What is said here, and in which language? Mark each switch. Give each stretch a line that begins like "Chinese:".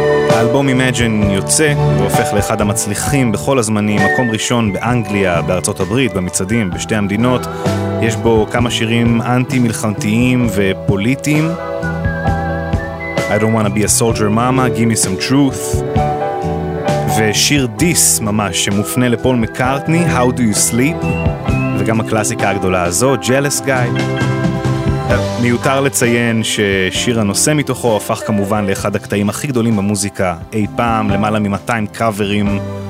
Hebrew: האלבום Imagine יוצא והופך לאחד המצליחים בכל הזמנים, מקום ראשון באנגליה, בארצות הברית, במצעדים, בשתי המדינות. יש בו כמה שירים אנטי-מלחמתיים ופוליטיים.
English: I don't wanna be a soldier mama, give me some truth.
Hebrew: ושיר דיס ממש שמופנה לפול מקארטני, How do you sleep? וגם הקלאסיקה הגדולה הזו, Jealous Guy. מיותר לציין ששיר הנושא מתוכו הפך כמובן לאחד הקטעים הכי גדולים במוזיקה אי פעם, למעלה מ-200 קאברים.